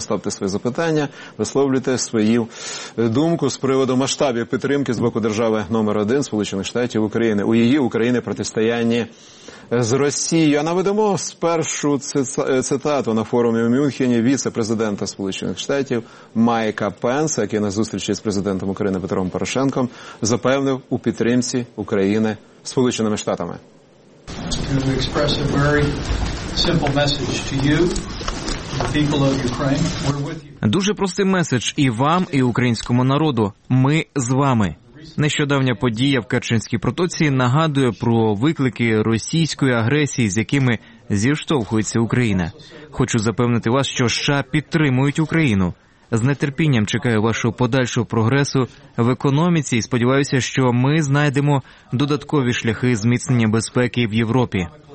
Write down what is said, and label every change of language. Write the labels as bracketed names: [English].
[Ukrainian] Ставте свої запитання, висловлюйте свою думку з приводу масштабів підтримки з боку держави номер один Сполучених Штатів України у її України протистоянні з Росією. А наведемо спершу цитату на форумі у Мюнхені віце-президента Сполучених Штатів Майка Пенса, який на зустрічі з президентом України Петром Порошенком запевнив у підтримці України Сполученими Штатами. [English] To express a very simple message to you, the people of Ukraine. We're with you. [Ukrainian] Дуже простий меседж і вам, і українському народу. Ми з вами. Нещодавня подія в Керченській протоці нагадує про виклики російської агресії, з якими зіштовхується Україна. Хочу запевнити вас, що США підтримують Україну. З нетерпінням чекаю вашого подальшого прогресу в економіці і сподіваюся, що ми знайдемо додаткові шляхи зміцнення безпеки в Європі.